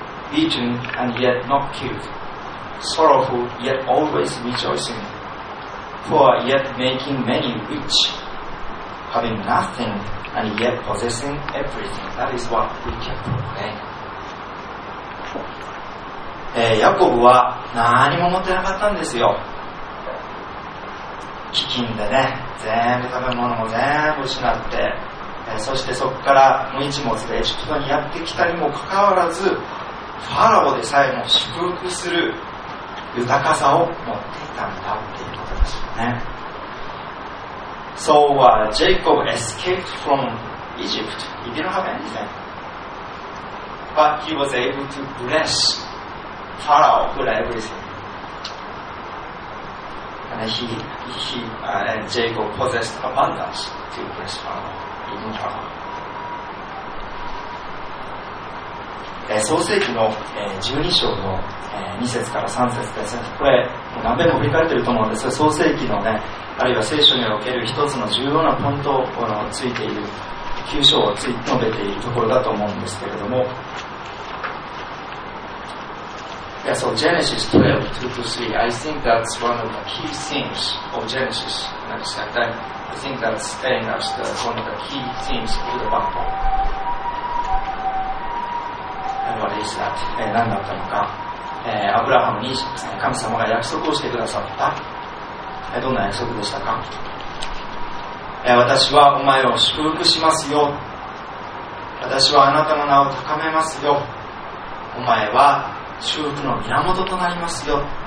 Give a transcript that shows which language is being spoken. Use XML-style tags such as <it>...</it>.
<en>Beaten and yet not killed, sorrowful yet always rejoicing, poor yet making many rich, having nothing and yet possessing everything. That is what we can proclaim.</en> <ja>ヤコブは何も持ってなかったんですよ。飢饉でね、全部食べ物も全部失って、そしてそこから無一物でエジプトにやってきたにもかかわらず、ファラオでさえも祝福する豊かさを持っていたんだっていうことですよね。</ja> <en>So、Jacob escaped from Egypt. He didn't have anything. But he was able to bless Pharaoh for everything. And and Jacob possessed abundance to bless Pharaoh, even Pharaoh.</en> <ja>創世記の12章の2節から3節ですね。これ何遍も振り返っていると思うんですが、創世記のね、あるいは聖書における一つの重要なポイントをついている、9章を述べているところだと思うんですけれども、</ja> <en>Yeah, so Genesis 12:2-3, I think that's one of the key themes of Genesis. I think that's telling us that one of the key themes of the Bible. What is that?</en> <ja>何だったのか、アブラハムに神様が約束をしてくださった、どんな約束でしたか、私はお前を祝福しますよ、私はあなたの名を高めますよ、お前は祝福の源となりますよ。</ja>